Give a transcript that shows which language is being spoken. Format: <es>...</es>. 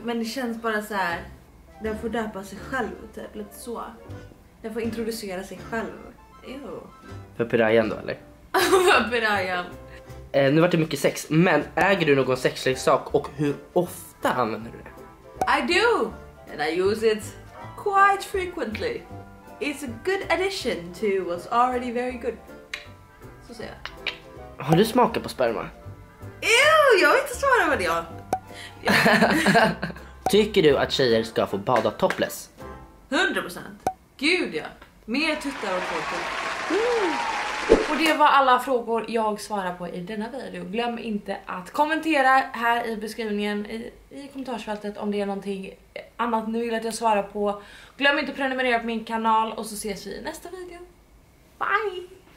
<sv>Men det känns bara så här... Den får döpa sig själv, typ. Lite så. Den får introducera sig själv. Jo. För pirajan då, eller? För pirajan. Nu var det mycket sex, men äger du någon sexlig sak och hur ofta använder du det?</sv> <en>I do, and I use it quite frequently. It's a good addition to what's already very good.</en> <sv>Så säger jag. Har du smakat på sperma? Ew, jag har inte svarat vad det är. Tycker du att tjejer ska få bada topless? 100%. Gud ja, mer tuttar och tuttar. Och det var alla frågor jag svarar på i denna video. Glöm inte att kommentera här i beskrivningen i kommentarsfältet om det är någonting annat ni vill att jag svarar på. Glöm inte att prenumerera på min kanal och så ses vi i nästa video. Bye!</sv>